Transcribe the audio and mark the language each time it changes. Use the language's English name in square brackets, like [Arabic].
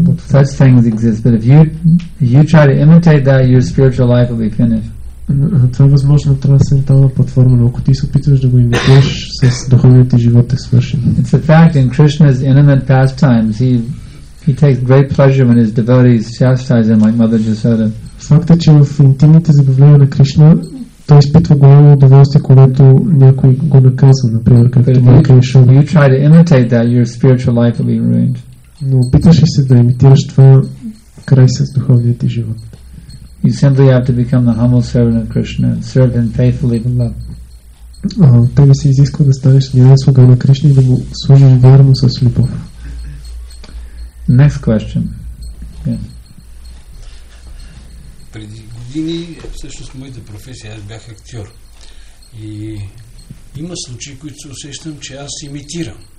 [English] Such things exist, but if you try to imitate that, your spiritual life will be finished. [Bulgarian] Това е възможно трансцендентална платформа, но ако ти се опитваш да го имитираш, с духовния ти живот е свършен. [English] It's a fact in Krishna's intimate pastimes, he takes great pleasure when his devotees chastise him like Mother Jasoda. [Bulgarian] Факт е, че в интимните забавления на Кришна той изпитва голямо удоволствие, когато някой го наказва, например, както Майка Яшода. [English] You try to imitate that, your spiritual life will be ruined. [Bulgarian] Но опиташ ли се да имитираш това, край с духовния ти живот? [English] You simply have to become the humble servant of Krishna and serve him faithfully with love. [Bulgarian] Тебе се изисква да станеш смирен слуга на Кришна и да му служиш вярно с любов. [English] Next question. [Bulgarian] Преди години, всъщност моята професия, аз бях актьор. И има случаи, които се усещам, че аз имитирам.